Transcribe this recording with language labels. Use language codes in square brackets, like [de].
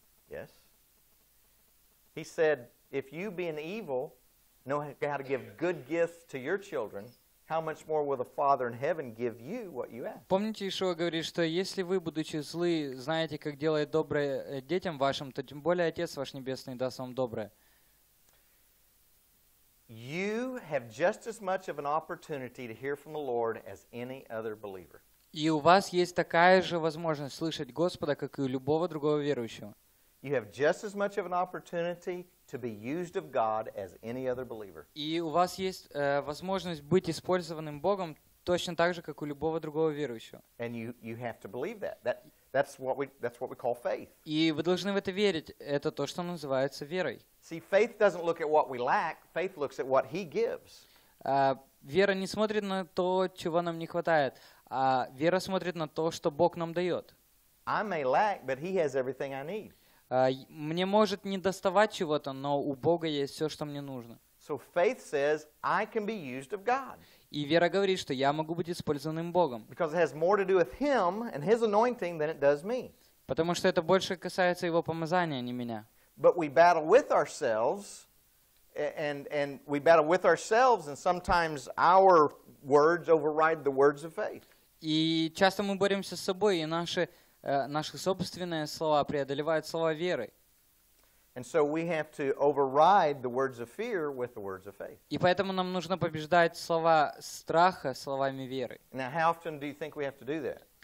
[en] Yes. He said, if you being evil know how to give good gifts to your children, how much more will the Father in heaven give you what you ask? [ru] Помните, Иешуа говорит, что если вы, будучи злы, знаете, как делать доброе детям вашим, то тем более Отец ваш Небесный даст вам доброе. [en] You have just as much of an opportunity to hear from the Lord as any other believer. [ru] И у вас есть такая же возможность слышать Господа, как и у любого другого верующего. [en] you have just as much of an opportunity to be used of God as any other believer. [ru] И у вас есть возможность быть использованным Богом точно так же, как у любого другого верующего. [en] And you have to believe that. That's what we call faith. [ru] И вы должны в это верить. Это то, что называется верой. [en] See, faith doesn't look at what we lack. Faith looks at what He gives. [ru] Вера не смотрит на то, чего нам не хватает, а вера смотрит на то, что Бог нам дает. [en] I may lack, but He has everything I need. [ru] Мне может не доставать чего-то, но у Бога есть все, что мне нужно. [en] So faith says, I can be used of God. [ru] И вера говорит, что я могу быть использованным Богом. [en] Because it has more to do with Him and His anointing than it does me. [ru] Потому что это больше касается Его помазания, а не меня. [en] But we battle with ourselves, and we battle with ourselves, and sometimes our words override the words of faith. [ru] И часто мы боремся с собой, и наши собственные слова преодолевают слова веры. [en] And so we have to override the words of fear with the words of faith. [ru] И поэтому нам нужно побеждать слова страха словами веры. [en] Now, how often do you think we have to do that?